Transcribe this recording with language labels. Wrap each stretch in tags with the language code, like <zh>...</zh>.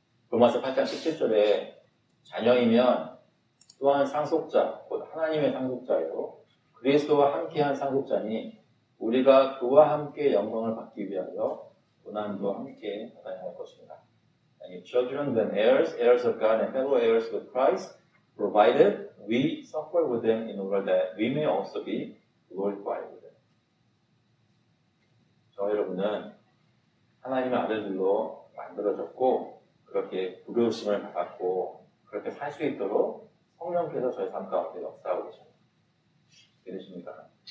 <ko>로마서 8장 17절에 자녀이면 또한 상속자, 곧 하나님의 상속자요 그리스도와 함께한 상속자니 우리가 그와 함께 영광을 받기 위하여 고난도 함께 받아야 할 것입니다.</ko> <en>And your children then heirs, heirs of God and fellow heirs with Christ, provided we suffer with them in order that we may also be glorified with them.</en> <ko>저 여러분은 하나님의 아들들로 만들어졌고 그렇게 부르심을 받았고 그렇게 살 수 있도록 성령께서 저희 삶 가운데 역사하고 계십니다. 믿으십니까?</ko>